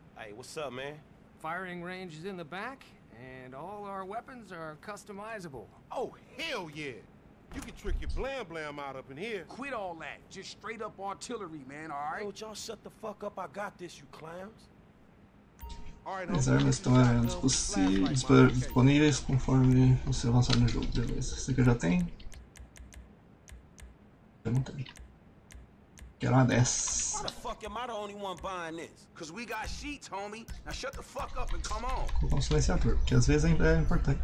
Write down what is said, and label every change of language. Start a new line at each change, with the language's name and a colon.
English: Hey, what's up, man? Firing range is in the back, and all our weapons are customizable. Oh, hell yeah! You can trick your blam blam out up in here. Quit all that. Just straight up artillery, man, alright? Don't y'all shut the fuck up. I got this, you clowns.
Portuguese: As armas estão disponíveis conforme você avançar no jogo. Beleza. Esse aqui eu já tenho. Quero uma dessa.
English: Why the fuck am I the only one buying this? Cause we got sheets, homie. Now shut the fuck up and come on.
Portuguese: Colocar um silenciador, porque às vezes é importante.